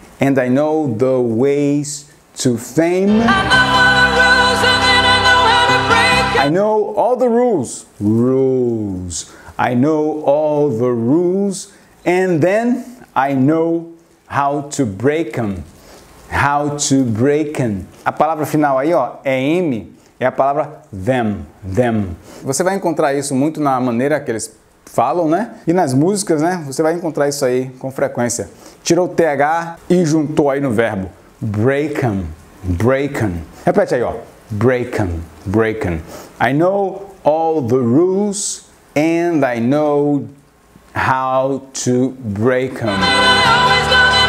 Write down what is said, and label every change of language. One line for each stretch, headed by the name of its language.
English: And I know the ways to fame. I know all the rules and then I know how to break. I know all the rules. I know all the rules, and then I know how to break them. How to break them.
Portuguese: A palavra final aí, ó, é M, é a palavra them, them. Você vai encontrar isso muito na maneira que eles falam, né? E nas músicas, né? Você vai encontrar isso aí com frequência. Tirou o TH e juntou aí no verbo.
English: Break them, break them.
Portuguese: Repete aí, ó.
English: Break them, break them. I know all the rules and I know how to break them.